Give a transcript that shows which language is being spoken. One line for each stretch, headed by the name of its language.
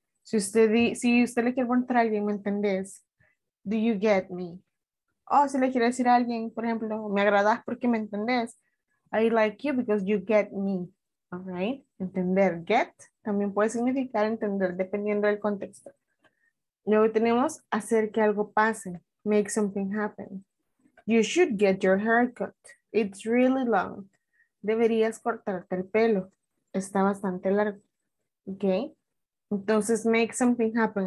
Spanish: Si usted le quiere preguntar a alguien, ¿me entendés?
English: Do you get me?
Spanish: O si le quiere decir a alguien, por ejemplo, ¿me agradas porque me entendés?
English: I like you because you get me, all right?
Spanish: Entender, get, también puede significar entender, dependiendo del contexto. Luego tenemos hacer que algo pase,
English: make something happen. You should get your hair cut. It's really long.
Spanish: Deberías cortarte el pelo. Está bastante largo. Okay. Entonces,
English: make something happen.